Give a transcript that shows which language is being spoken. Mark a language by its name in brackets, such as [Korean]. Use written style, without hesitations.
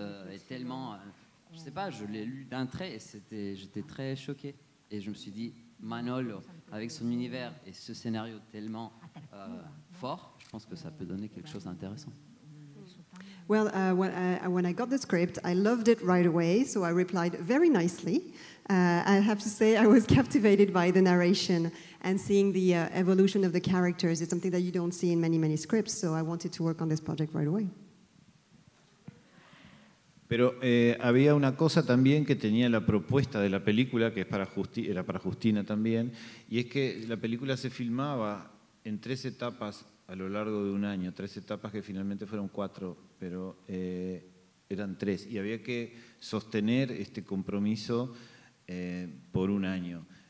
[French] et tellement je sais pas, je l'ai lu d'un trait et j'étais très choqué et je me suis dit Manolo avec son univers et ce scénario tellement fort, je pense que ça peut donner quelque chose d'intéressant. [English] Well, when I got the script, I loved it right away, so I replied very nicely. I have to say I was captivated by the narration and seeing the evolution of the characters. It's something that you don't see in many, many scripts, so I wanted to work on this project right away. [Spanish] Pero había una cosa también que tenía la propuesta de la película, que era para Justina también, y es que la película se filmaba en 3 etapas a lo largo de un año, tres etapas que finalmente fueron cuatro, pero eran tres, y había que sostener este compromiso por un año.